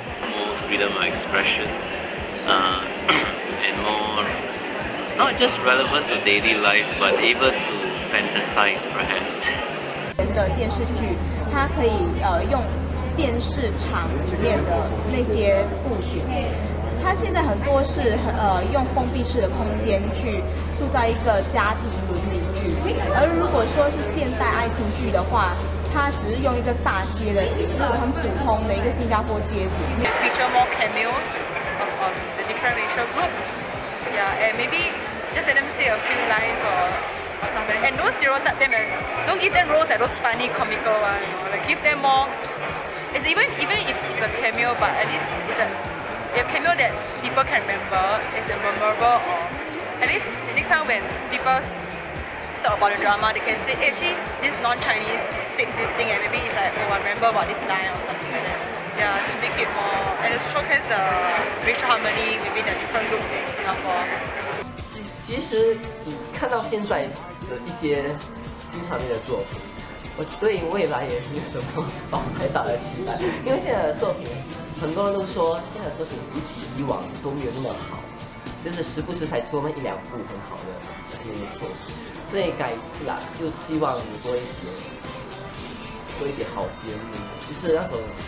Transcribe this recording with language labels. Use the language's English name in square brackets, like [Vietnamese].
[English] more freedom of expression, and more not just relevant to daily life, but able to fantasize perhaps. [Chinese] 的电视剧，它可以用电视厂里面的那些布景。它现在很多是用封闭式的空间去塑造一个家庭伦理剧，而如果说是现代爱情剧的话，它只是用一个大街的景物，很普通的一个新加坡街景。 [English] Feature more cameos of the different racial groups, yeah, and maybe just let them say a few lines or something. And don't stereotype them as, don't give them roles like those funny comical ones. Like give them more. It's even if it's a cameo, but at least it's a cameo that people can remember, is it memorable, or at least the next time when people talk about the drama, they can say, hey, actually, this non-Chinese said this thing, and maybe it's like, oh, I remember about this line or something like that. Yeah, to make it more, and it showcase the racial harmony within the different groups in Singapore. [Chinese] 其实你看到现在的一些经常的作品，我对未来也没有什么抱太大的期待，因为现在的作品很多人都说现在的作品比起以往都没有那么好，就是时不时才出那一两部很好的那些作品，所以改一次啊，就希望你多一点好节目，就是那种